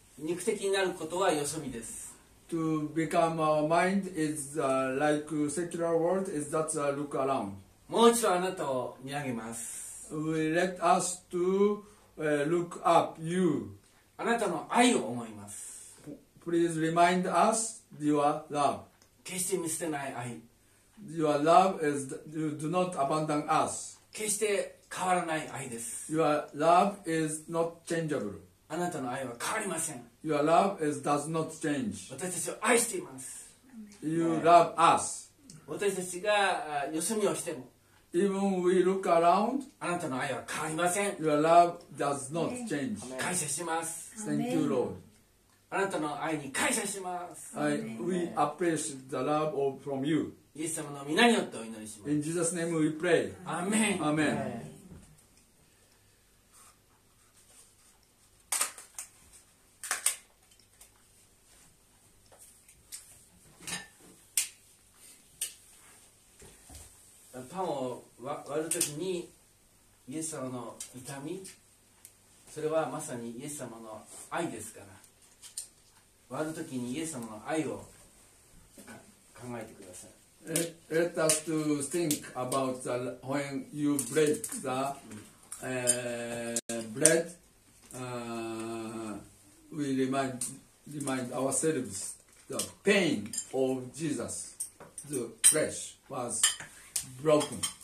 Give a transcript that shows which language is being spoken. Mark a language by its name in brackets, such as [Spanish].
[Japanese] 肉的になることはよそ見です。 [English] To become our mind is the, like secular world is that's a look around. [Japanese] もう一度あなたを見上げます。 [English] We let us to、look up you. [Japanese] あなたの愛を思います。 [English] Please remind us your love. [Japanese] 決して見捨てない愛。 [English] Your love is you do not abandon us. [Japanese] 決して変わらない愛です。 [English] Your love is not changeable. [Japanese] あなたの愛は変わりません。 [English] Your love is does not change. [Japanese] 私たちを愛しています。 [English] You love us. [Japanese] 私たちがよそ見をしても。 [English] Even we look around, [Japanese] あなたの愛は変わりません。 [English] Your love does not change. [Japanese] 感謝します。 [English] Thank you, Lord. [Japanese] あなたの愛に感謝します。 [English] We appreciate the love of, from you. [Japanese] イエス様の名によってお祈りします。 [English] In Jesus' name we pray. Amen. Amen. [Japanese] パンを割るときにイエス様の痛みそれはまさにイエス様の愛ですから割るときにイエス様の愛を考えてください [English] Let us to think about the, when you break the、bread、we remind ourselves the pain of Jesus the flesh wasBroken.